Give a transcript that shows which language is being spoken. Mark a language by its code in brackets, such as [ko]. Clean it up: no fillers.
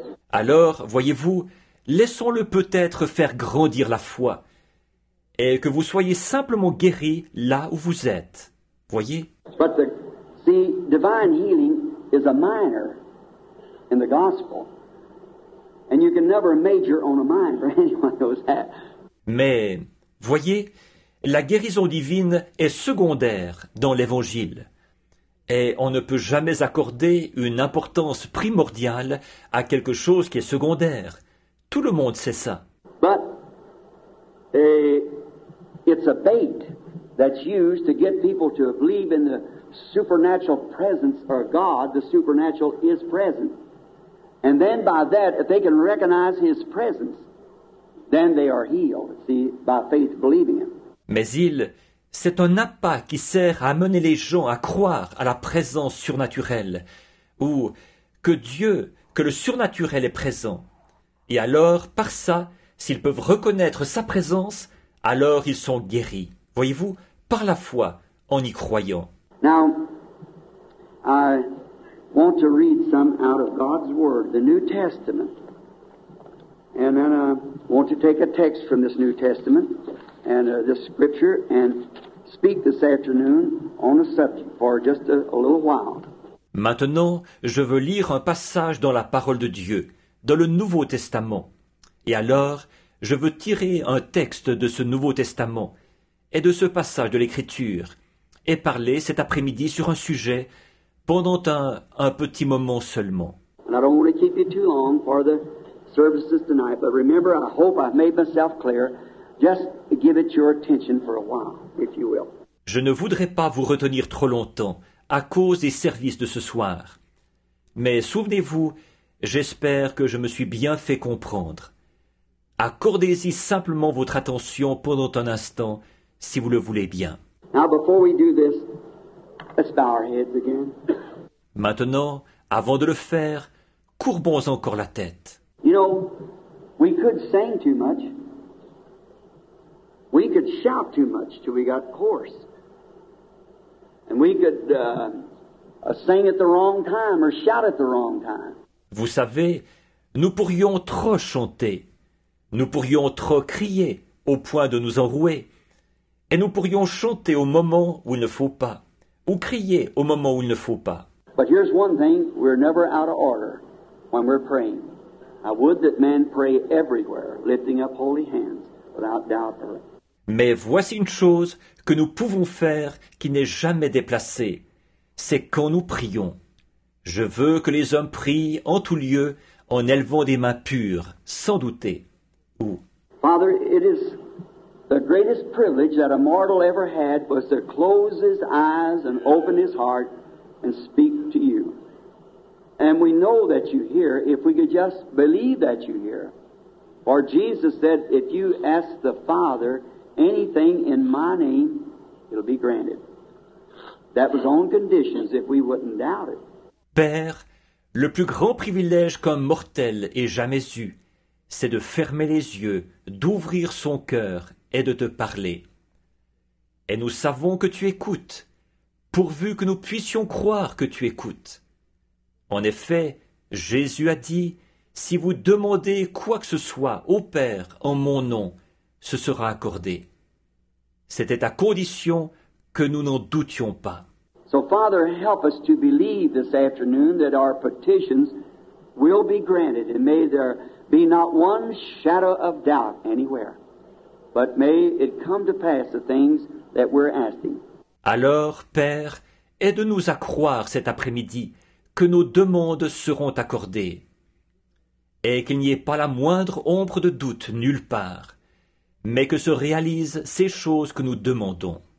[fr] Alors, voyez-vous, laissons-le peut-être faire grandir la foi et que vous soyez simplement guéri là où vous êtes. Voyez? [en] Divine healing is a minor in the gospel. And you can never major on a minor, anyone knows that. [fr] Mais, voyez, la guérison divine est secondaire dans l'Évangile. Et on ne peut jamais accorder une importance primordiale à quelque chose qui est secondaire. Tout le monde sait ça. [en] But it's a bait that's used to get people to believe in the supernatural presence of God. The supernatural is present. And then by that, if they can recognize his presence, then they are healed, see, by faith believing him. [fr] Mais c'est un appât qui sert à amener les gens à croire à la présence surnaturelle, ou que Dieu, que le surnaturel est présent. Et alors, par ça, s'ils peuvent reconnaître sa présence, alors ils sont guéris. Voyez-vous, par la foi, en y croyant. [en] Now, I want to read some out of God's Word, the New Testament. And then I want to take a text from this New Testament. And this scripture, and speak this afternoon on a subject for just a little while. [fr] Maintenant, je veux lire un passage dans la parole de Dieu, dans le Nouveau Testament. Et alors, je veux tirer un texte de ce Nouveau Testament et de ce passage de l'Écriture et parler cet après-midi sur un sujet pendant un petit moment seulement. [en] And I don't want to keep you too long for the services tonight, but remember, I hope I've made myself clear. Just give it your attention for a while, if you will. [fr] Je ne voudrais pas vous retenir trop longtemps à cause des services de ce soir. Mais souvenez-vous, j'espère que je me suis bien fait comprendre. Accordez-y simplement votre attention pendant un instant, si vous le voulez bien. [en] Now, before we do this, let's bow our heads again. [fr] Maintenant, avant de le faire, courbons encore la tête. [en] You know, we could sing too much. We could shout too much till we got hoarse. And we could sing at the wrong time or shout at the wrong time. [fr] Vous savez, nous pourrions trop chanter. Nous pourrions trop crier au point de nous enrouer. Et nous pourrions chanter au moment où il ne faut pas. Ou crier au moment où il ne faut pas. [en] But here's one thing, we're never out of order when we're praying. I would that men pray everywhere, lifting up holy hands, without doubt or... [fr] Mais voici une chose que nous pouvons faire qui n'est jamais déplacée. C'est quand nous prions. Je veux que les hommes prient en tout lieu en élevant des mains pures, sans douter. Ou. [en] Father, it is the greatest privilege that a mortal ever had was to close his eyes and open his heart and speak to you. And we know that you hear if we could just believe that you hear. For Jesus said, if you ask the Father, anything in my name, it'll be granted. That was on conditions if we wouldn't doubt it. [fr] Père, le plus grand privilège qu'un mortel ait jamais eu, c'est de fermer les yeux, d'ouvrir son cœur et de te parler. Et nous savons que tu écoutes, pourvu que nous puissions croire que tu écoutes. En effet, Jésus a dit, si vous demandez quoi que ce soit au Père en mon nom, ce sera accordé. C'était à condition que nous n'en doutions pas. [en] So, Father, help us to believe this afternoon that our petitions will be granted and may there be not one shadow of doubt anywhere, but may it come to pass the things that we're asking. [fr] Alors, Père, aide-nous à croire cet après-midi que nos demandes seront accordées et qu'il n'y ait pas la moindre ombre de doute nulle part, mais que se réalisent ces choses que nous demandons.